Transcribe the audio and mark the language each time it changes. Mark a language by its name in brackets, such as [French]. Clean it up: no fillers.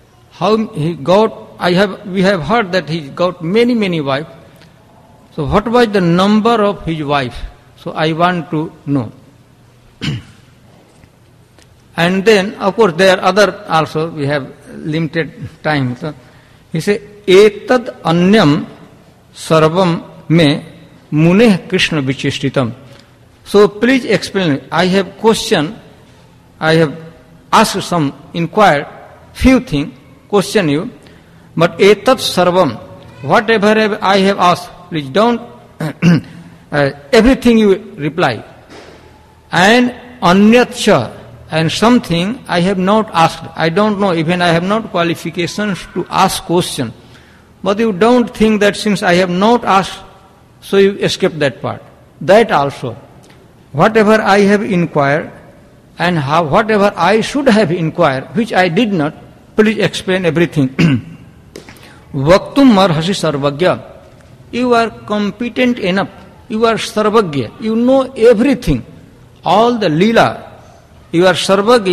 [English] How he got, we have heard that he got many, many wives. So what was the number of his wife? So I want to know. And then, of course, there are other also, we have limited time. So he said, [Sanskrit] एतद् अन्यम् सर्वम् में मुने Krishna विचेष्टितम्। [English] so please explain, I have question you but [Sanskrit] एतद् सर्वम् [English] whatever I have asked please don't everything you reply and [Sanskrit] अन्यच्च [English] And something I have not asked I don't know even I have not qualifications to ask question But you don't think that since I have not asked, so you escape that part. That also. Whatever I have inquired, and how, whatever I should have inquired, which I did not, please explain everything. [Sanskrit] Vaktum marhasi sarvagya. [English] You are competent enough. You are sarvagya. You know everything. All the leela. You are sarvagya.